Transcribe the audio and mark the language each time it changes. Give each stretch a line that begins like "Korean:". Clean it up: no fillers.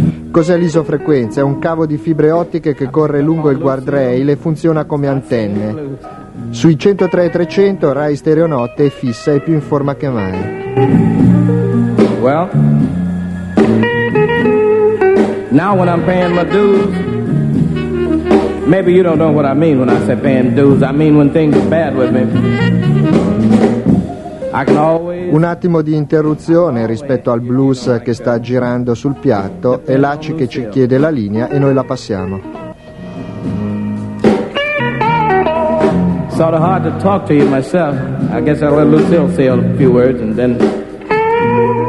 Italian: Cos'è l'isofrequenza? È un cavo di fibre ottiche che corre lungo il guardrail e funziona come antenne. Sui 103-300 Rai Stereo Notte è fissa e più in forma che mai.
English: Now when I'm paying my dues, maybe you don't know what I mean when I say paying dues. I mean when things are bad with me.
Italian: Un attimo di interruzione rispetto al blues che sta girando sul piatto e Lacci che ci chiede la linea e noi la passiamo.
English: Sort of hard to talk to you myself. I guess I'll let Lucille say a few words and then.